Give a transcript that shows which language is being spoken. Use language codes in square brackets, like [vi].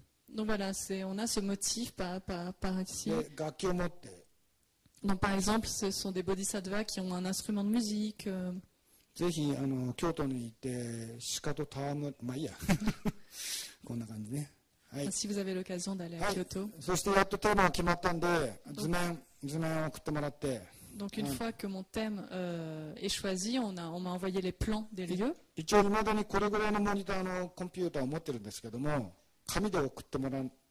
[fr] Donc voilà, on a ce motif par ici. [ja] 楽器を持って。 [fr] Donc, par exemple, ce sont des bodhisattvas qui ont un instrument de musique. [ja] ぜひ、あの、京都に行って、シカとタワム、まあいいや。こんな感じね。 [fr] はい。Si vous avez l'occasion d'aller à Kyoto. [ja] そして、やっとテーマが決まったんで、図面を送ってもらって。 [fr] Donc, une fois que mon thème est choisi, on m'a envoyé les plans des lieux. [ja] 一応、未だにこれぐらいのモニターのコンピューターを持ってるんですけども、紙で送ってもらう。